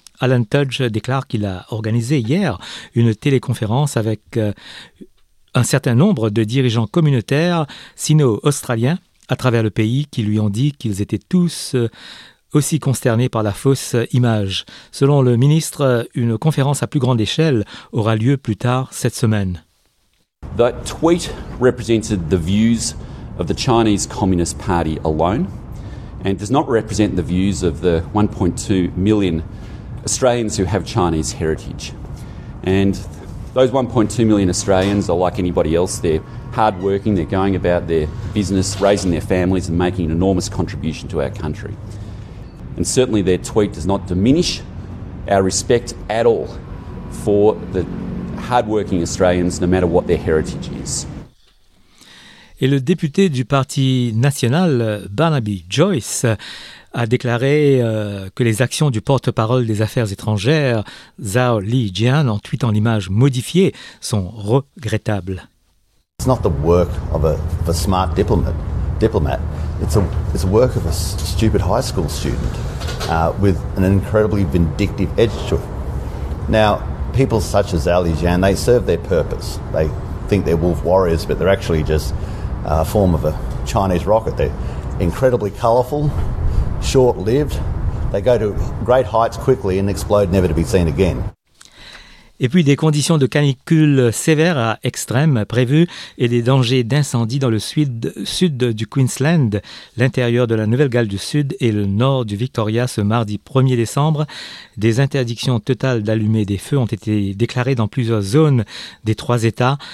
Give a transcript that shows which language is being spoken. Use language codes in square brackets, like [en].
[fr] Alan Tudge déclare qu'il a organisé hier une téléconférence avec un certain nombre de dirigeants communautaires sino-australiens à travers le pays, qui lui ont dit qu'ils étaient tous aussi consternés par la fausse image. Selon le ministre, une conférence à plus grande échelle aura lieu plus tard cette semaine. [en] That tweet represented the views of the Chinese Communist Party alone and does not represent the views of the 1.2 million Australians who have Chinese heritage. And those 1.2 million Australians are like anybody else, they're hard working, they're going about their business, raising their families and making an enormous contribution to our country. And certainly their tweet does not diminish our respect at all for the hard working Australians, no matter what their heritage is. [fr] Et le député du Parti national, Barnaby Joyce, a déclaré que les actions du porte-parole des affaires étrangères, Zhao Lijian, en tweetant l'image modifiée, sont regrettables. [en] It's not the work of a smart diplomat. It's a work of a stupid high school student with an incredibly vindictive edge to it. Now, people such as Zhao Lijian, they serve their purpose. They think they're wolf warriors, but they're actually just a form of a Chinese rocket. They're incredibly colourful, short-lived. They go to great heights quickly and explode, never to be seen again. [fr] Et puis des conditions de canicule sévères à extrêmes prévues et des dangers d'incendie dans le sud du Queensland, l'intérieur de la Nouvelle-Galles du Sud et le nord du Victoria ce mardi 1er décembre. Des interdictions totales d'allumer des feux ont été déclarées dans plusieurs zones des trois États.